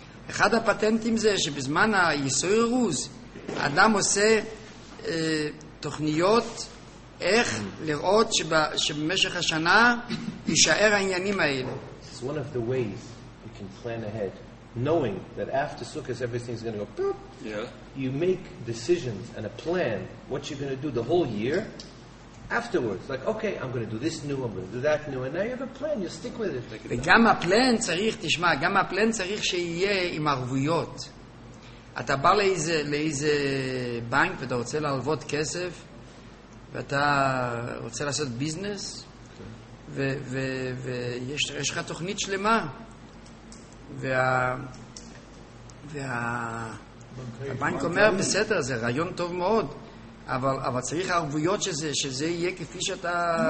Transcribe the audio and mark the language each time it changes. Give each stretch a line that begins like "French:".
Hebrew: אחד הפטנטים זה שבזמן היסוירוז האדם עושה תוכניות איך לראות שבמשך השנה יישאר העניינים האלה.
English: It's one of the ways you can plan ahead, knowing that after Sukkot everything's going to go boop. Yeah. You make decisions and a plan what you're going to do the whole year afterwards. Like, okay, I'm going to do this new, I'm going to do that new, and now you have a plan, you stick with it.
Hebrew: וגם הפלן צריך, תשמע, גם הפלן צריך שיהיה עם ערבויות. אתה בא לאיזה בנק ואתה רוצה להלוות כסף, ואתה רוצה לעשות ביזנס, ויש לך תוכנית שלמה, והבנק אומר, בסדר, זה רעיון טוב מאוד, אבל צריך ערבויות שזה יהיה כפי שאתה...